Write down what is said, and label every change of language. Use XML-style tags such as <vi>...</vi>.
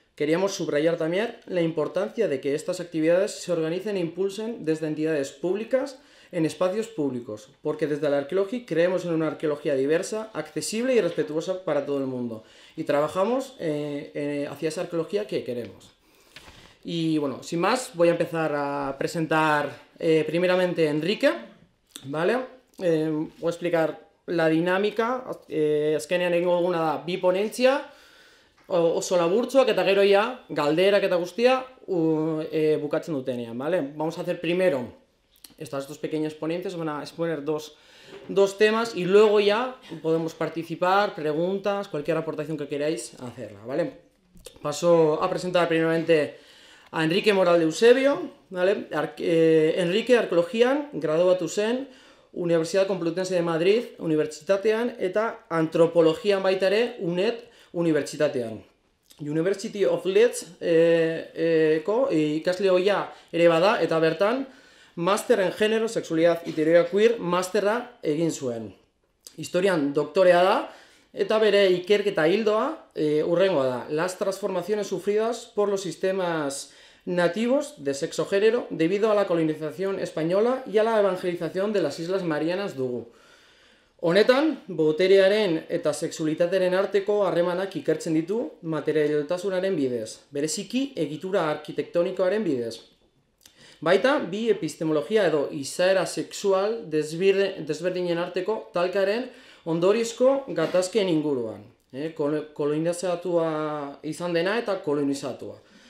<es>Queríamos subrayar también la importancia de que estas actividades se organicen e impulsen desde entidades públicas en espacios públicos, porque desde la arqueología creemos en una arqueología diversa, accesible y respetuosa para todo el mundo, y trabajamos hacia esa arqueología que queremos. Y bueno, sin más, voy a empezar a presentar primeramente a Enrique, ¿vale? Voy a explicar la dinámica.</es> <eu>Azkenean egingo duguna da bi ponentzia, oso laburtzoak, eta gero ya galderak eta guztia bukatzen dutenean, ¿vale?</eu> <es>Vamos a hacer primero estas dos pequeñas ponencias, van a exponer dos temas, y luego ya podemos participar, preguntas, cualquier aportación que queráis hacerla, ¿vale? Paso a presentar primeramente a Enrique Moral de Eusebio, ¿vale?</es> <eu>Enrique, arqueologian, graduatu zen, Universidad Complutense de Madrid, unibertsitatean, eta antropologian baita ere, UNED, unibertsitatean. University of Leeds ko ikasle hoia ere bada, eta bertan, Master en Género, Sexualidad y Teoría Queer, Masterra egin zuen. Historian doktorea da, eta bere ikerketa hildoa urrengoa da.</eu> <es>Las transformaciones sufridas por los sistemas nativos de sexo género debido a la colonización española y a la evangelización de las Islas Marianas dugu.</es> <eu>Honetan, boterearen eta sexualitatearen arteko harremanak ikertzen ditu materialtasunaren bidez, bereziki egitura arkitektonikoaren bidez. Baita, bi epistemologia edo izaera sexual desberdinen arteko talkaren ondoriozko gatazken inguruan, kolonizatua izan dena eta kolonizatua.</eu>